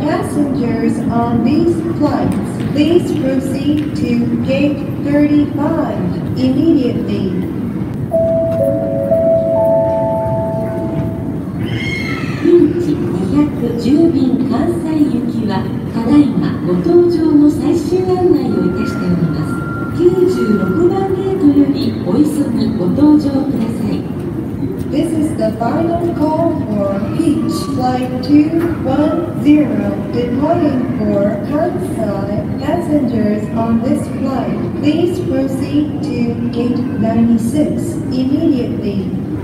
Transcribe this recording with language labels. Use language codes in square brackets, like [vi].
[en] Passengers on these flights, please proceed to Gate 35 immediately. [ja] 10便関西行きは、ただいまご搭乗の最終案内をいたしております。 96番ゲートよりお急ぎご搭乗ください。 [en] This is the final call for Peach Flight 210 Departing for Kansai. Passengers on this flight, please proceed to Gate 96 immediately.